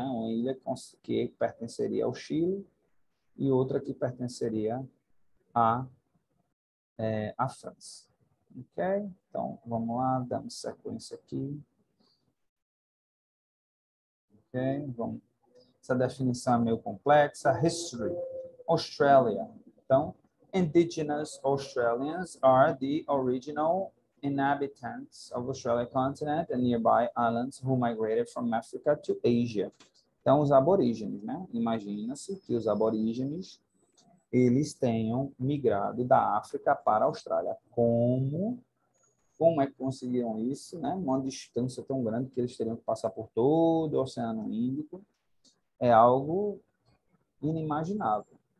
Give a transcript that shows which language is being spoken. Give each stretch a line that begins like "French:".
Portuguese: Uma ilha que pertenceria ao Chile e outra que pertenceria à França. Ok? Então, vamos lá, damos sequência aqui. Ok? Vamos. Essa definição é meio complexa.
English: History. Australia.
Portuguese: Então,
English: Indigenous Australians are the original inhabitants of Australia continent and nearby islands who migrated from Africa to Asia.
Portuguese: Então, os aborígenes, né? Imagina-se que os aborígenes eles tenham migrado da África para a Austrália. Como é que conseguiram isso, né? Uma distância tão grande que eles teriam que passar por todo o Oceano Índico é algo inimaginável.